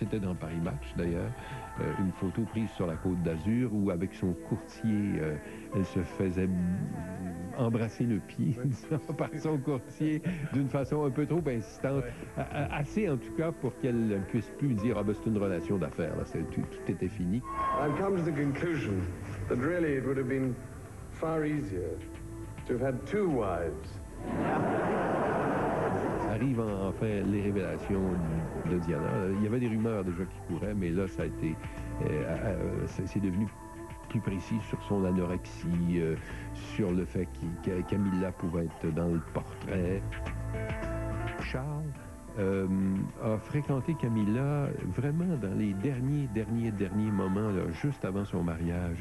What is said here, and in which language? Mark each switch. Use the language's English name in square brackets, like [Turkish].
[French] C'était dans Paris Match, d'ailleurs. Une photo prise sur la Côte d'Azur où, avec son courtier, elle se faisait embrasser le pied par son courtier d'une façon un peu trop insistante. Ouais. Assez, en tout cas, pour qu'elle ne puisse plus dire « Ah, ben, c'est une relation d'affaires, là. Tout était fini. » [English] I've come to the conclusion that really it would have been far easier to have had two wives. [French] Arrivent enfin les révélations de Diana. Il y avait des rumeurs déjà qui couraient, mais là, ça a été... c'est devenu plus précis sur son anorexie, sur le fait que Camilla pouvait être dans le portrait. Charles a fréquenté Camilla vraiment dans les derniers moments, là, juste avant son mariage.